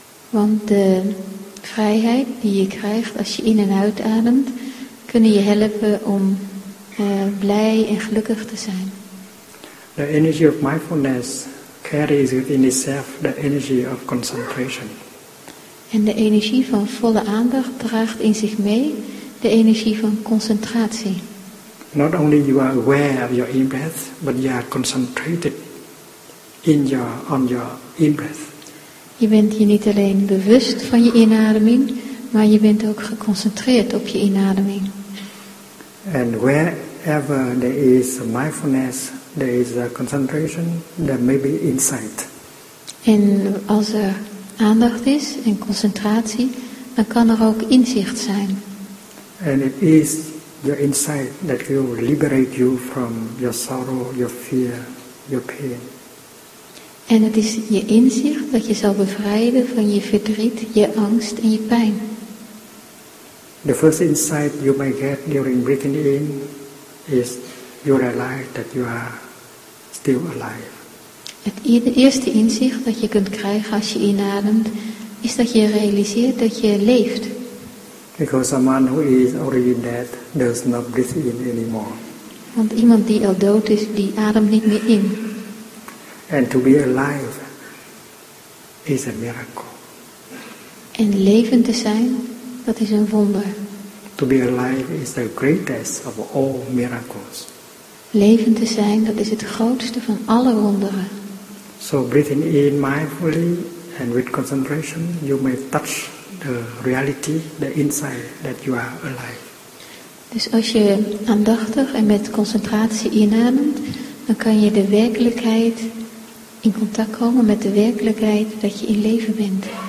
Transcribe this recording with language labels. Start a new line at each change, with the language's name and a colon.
Dutch: Want de vrijheid die je krijgt als je in en uitademt, kunnen je helpen om blij en gelukkig te zijn.
English: The energy of mindfulness carries within itself the energy of concentration.
Dutch: En de energie van volle aandacht draagt in zich mee de energie van concentratie.
English: Not only you are aware of your in-breath, but you are concentrated on your in-breath.
Dutch: Je bent je niet alleen bewust van je inademing, maar je bent ook geconcentreerd op je inademing.
English: And wherever there is mindfulness, there is a concentration, there may be insight.
Dutch: En als er aandacht is en concentratie, dan kan er ook inzicht zijn.
English: And it is your insight that will liberate you from your sorrow, your fear, your pain.
Dutch: En het is je inzicht dat je zal bevrijden van je verdriet, je angst en je pijn.
English: The first insight you might get during breathing in is you realize that you are still alive.
Dutch: Het eerste inzicht dat je kunt krijgen als je inademt, is dat je realiseert dat je leeft.
English: Because someone who is already dead does not breathe in anymore.
Dutch: Want iemand die al dood is, die ademt niet meer in.
English: And to be alive is a miracle.
Dutch: En levend te zijn, dat is een wonder.
English: To be alive is the greatest of all miracles.
Dutch: Levend te zijn, dat is het grootste van alle wonderen.
English: So breathing in mindfully and with concentration, you may touch the reality, the insight that you are alive.
Dutch: Dus als je aandachtig en met concentratie inademt, dan kan je de werkelijkheid in contact komen met de werkelijkheid dat je in leven bent.